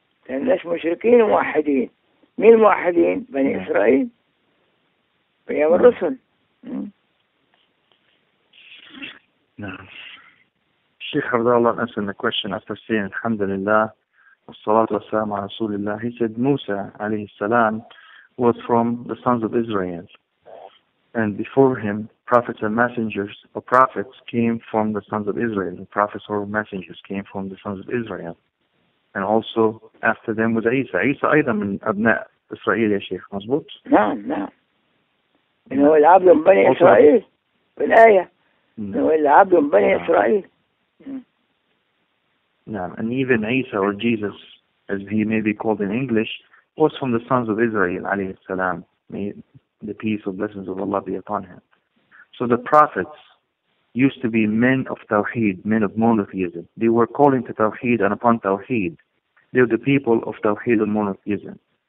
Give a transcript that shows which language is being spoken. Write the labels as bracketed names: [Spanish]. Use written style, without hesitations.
[Arabic] الناس مشركين وموحدين، مين الموحدين؟ بني إسرائيل في أيام الرسل. نعم الشيخ عبد الله أسأل [English] the question after saying [Arabic] الحمد لله والصلاة والسلام على رسول الله. [English] He said موسى [Arabic] عليه السلام [English] was from the sons of Israel, and before him prophets and messengers or prophets came from the sons of Israel, the prophets or messengers came from the sons of Israel. And also after them was Isa. [Arabic] Isa أيضا من أبناء إسرائيل يا شيخ، مظبوط؟ نعم نعم. إنه هو العبد من بني إسرائيل في الآية. إنه هو العبد من بني إسرائيل. نعم. [English] And even Isa or Jesus, as he may be called in English, was from the sons of Israel [Arabic] عليه السلام. [English] May the peace and blessings of Allah be upon him. So the prophets used to be men of Tawheed, men of monotheism. They were calling to Tawheed and upon Tawheed. They're the people of Tawheed and monotheism.